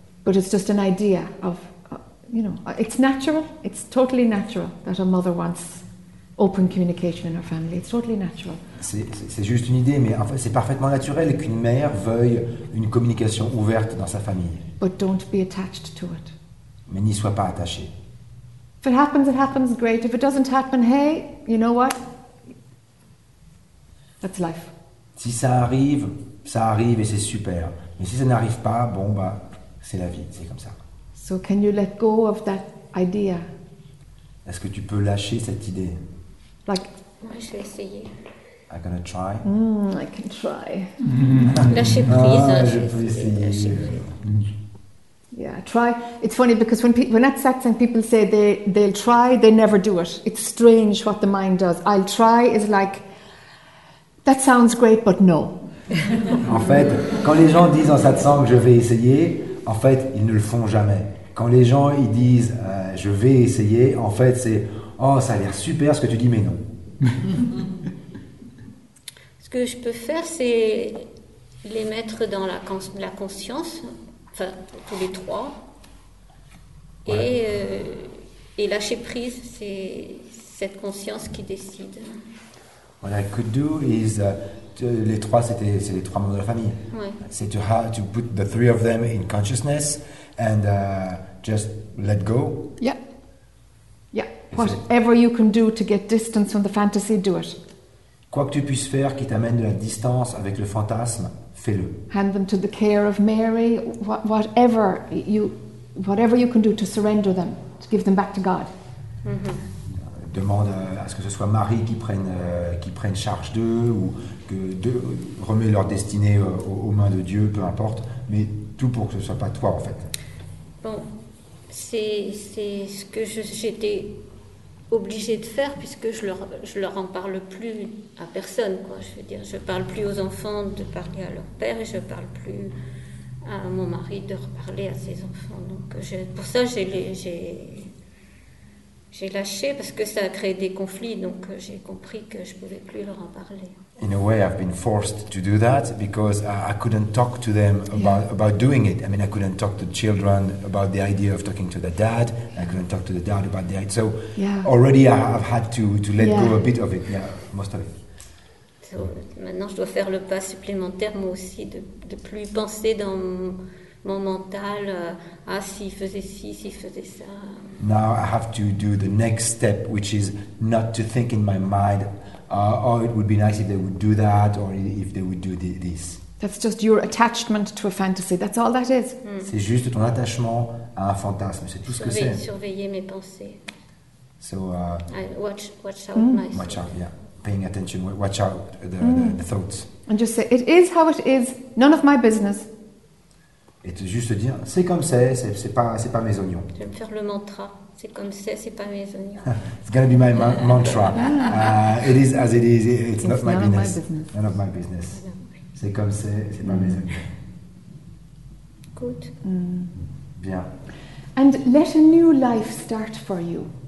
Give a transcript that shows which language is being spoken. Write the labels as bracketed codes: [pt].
[en] But it's just an idea of, you know, it's natural. It's totally natural that a mother wants open communication in her family. It's totally natural. [fr] C'est juste une idée, mais en fait, c'est parfaitement naturel qu'une mère veuille une communication ouverte dans sa famille. [en] But don't be attached to it. [fr] Mais n'y sois pas attaché. [en] If it happens, it happens. Great. If it doesn't happen, hey, you know what? That's life. [fr] Si ça arrive, ça arrive et c'est super. Mais si ça n'arrive pas, bon bah. C'est la vie, c'est comme ça. [en] So can you let go of that idea? [fr] Est-ce que tu peux lâcher cette idée? [en] Like, [fr] moi je vais essayer. [en] I'm gonna try. I can try. [fr] Lâcher prise. Ah, je peux essayer. [en] Yeah, try. It's funny because when at satsang people say they'll try, they never do it. It's strange what the mind does. I'll try is like, that sounds great, but no. [fr] En fait, quand les gens disent en satsang je vais essayer, en fait, ils ne le font jamais. Quand les gens ils disent « je vais essayer », en fait, c'est « oh, ça a l'air super ce que tu dis, mais non. » Ce que je peux faire, c'est les mettre dans la conscience, enfin, tous les trois, ouais. et lâcher prise, c'est cette conscience qui décide. [en] What I could do is... [fr] les trois, c'est les trois membres de la famille. Ouais. C'est [en] to put the three of them in consciousness and just let go. Yeah. Yeah. Whatever you can do to get distance from the fantasy, do it. Quoi que tu puisses faire qui t'amène de la distance avec le fantasme, fais-le. Hand them to the care of Mary. Whatever you can do to surrender them, to give them back to God. Mm-hmm. [fr] Demande à ce que ce soit Marie qui prenne charge d'eux ou que remet leur destinée aux mains de Dieu, peu importe, mais tout pour que ce soit pas toi en fait. Bon, c'est ce que j'étais obligée de faire puisque je leur en parle plus à personne, quoi. Je veux dire, je parle plus aux enfants de parler à leur père et je parle plus à mon mari de reparler à ses enfants. Donc pour ça j'ai lâché parce que ça a créé des conflits, donc j'ai compris que je pouvais plus leur en parler. [en] In a way, I've been forced to do that because I couldn't talk to them about doing it. I mean, I couldn't talk to children about the idea of talking to the dad. I couldn't talk to the dad about the idea. So yeah. Already, I've had to let go a bit of it. Yeah, most of it. [fr] So maintenant, je dois faire le pas supplémentaire, moi aussi, de plus penser dans mon mental. Ah, s'il faisait ci, s'il faisait ça. [en] Now I have to do the next step, which is not to think in my mind, it would be nice if they would do that, or if they would do this. That's just your attachment to a fantasy. That's all that is. [fr] Mm. C'est juste ton attachement à un fantasme. C'est tout ce que c'est. Surveiller mes pensées. [en] So watch out, paying attention. Watch out the thoughts. And just say it is how it is. None of my business. [fr] Et juste dire, c'est comme c'est pas mes oignons. Je vais me faire le mantra, c'est comme c'est pas mes oignons. [en] It's gonna be my mantra. It is as it is, it's not my business. None of my business. [fr] C'est comme c'est pas mes oignons. [en] Good. [fr] Bien. [en] And let a new life start for you.